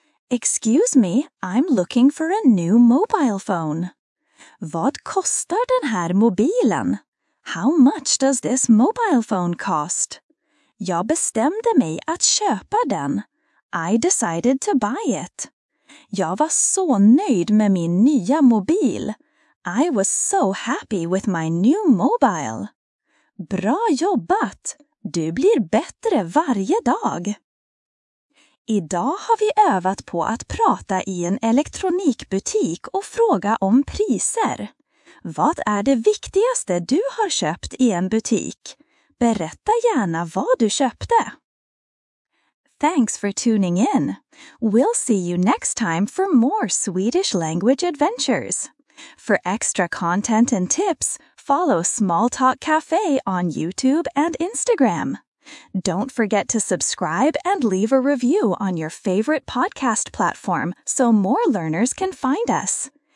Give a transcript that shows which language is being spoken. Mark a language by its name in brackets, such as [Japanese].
[English] Excuse me, I'm looking for a new mobile phone. [Swedish] Vad kostar den här mobilen? [English] How much does this mobile phone cost? [Swedish] Jag bestämde mig att köpa den. [English] I decided to buy it. [Swedish] Jag var så nöjd med min nya mobil. [English] I was so happy with my new mobile. [Swedish] Bra jobbat! Du blir bättre varje dag. Idag har vi övat på att prata i en elektronikbutik och fråga om priser. Vad är det viktigaste du har köpt i en butik? Berätta gärna vad du köpte. [English] Thanks for tuning in. We'll see you next time for more Swedish language adventures. For extra content and tips, follow Small Talk Cafe on YouTube and Instagram. Don't forget to subscribe and leave a review on your favorite podcast platform so more learners can find us.